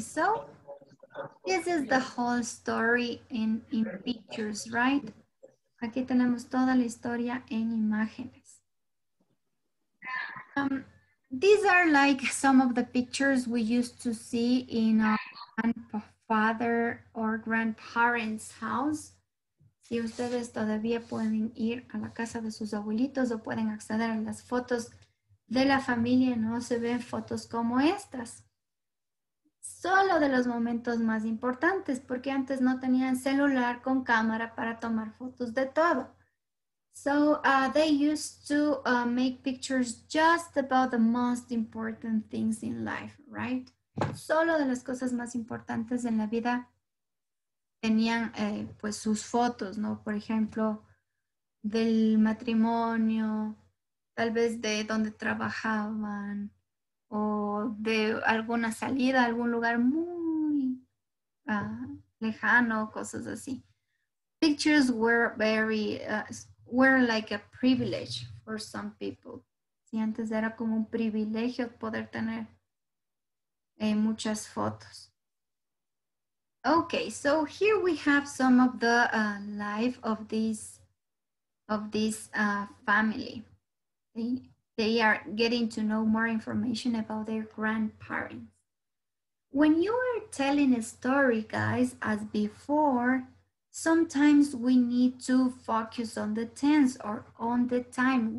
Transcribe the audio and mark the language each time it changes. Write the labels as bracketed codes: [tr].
[en] So this is the whole story in pictures, right? [es] Aquí tenemos toda la historia en imágenes. [en] These are like some of the pictures we used to see in our grandfather or grandparents' house. [es] Si ustedes todavía pueden ir a la casa de sus abuelitos o pueden acceder a las fotos de la familia, no se ven fotos como estas. Solo de los momentos más importantes, porque antes no tenían celular con cámara para tomar fotos de todo. [en] So they used to make pictures just about the most important things in life, right? [es] Solo de las cosas más importantes en la vida tenían pues sus fotos, ¿no? Por ejemplo, del matrimonio, tal vez de donde trabajaban o de alguna salida a algún lugar muy lejano, cosas así. [en] Pictures were very... were like a privilege for some people. [es] Si antes era como un privilegio poder tener muchas fotos. [en] Okay, so here we have some of the life of this family. They are getting to know more information about their grandparents. When you are telling a story, guys, as before, sometimes we need to focus on the tense or on the time.